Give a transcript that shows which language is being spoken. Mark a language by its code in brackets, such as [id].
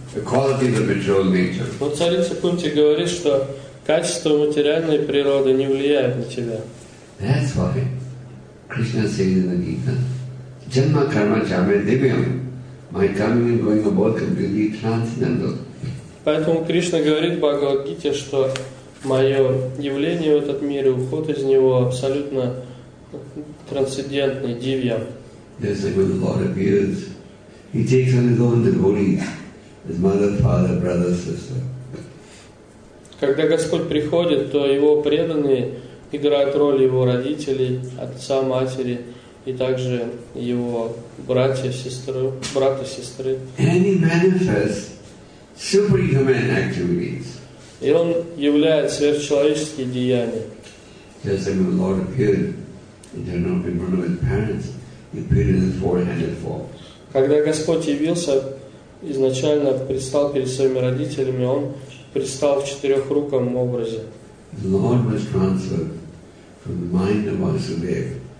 [ru] Но царица Кунти говорит, что качество материальной природы не влияет на тебя. [en] That's why Krishna says in the Gita, [sa] Janma Karma Chame Divyam. [en] My coming and going are both completely transcendental. [ru] Поэтому Кришна говорит в Бхагавад-гите, что мое явление в этот мир и уход из него абсолютно трансцендентный, дивья. [en] Just like when the Lord appears, He takes on His own devotees, His mother, father, brother, sister. [ru] Когда Господь приходит, то Его преданные играют роль Его родителей, отца, матери, и также его братья, сестры, брата, сестры. [en] Any manifest superhuman activities. [ru] И он являет сверхчеловеческие деяния. [en] Just like when the Lord appeared in Janaki Manu's parents, he appeared in the four-headed form. [ru] Когда Господь явился, изначально предстал перед своими родителями, он предстал в четырехруком образе. [en] The Lord was transferred from the mind of Vasudev.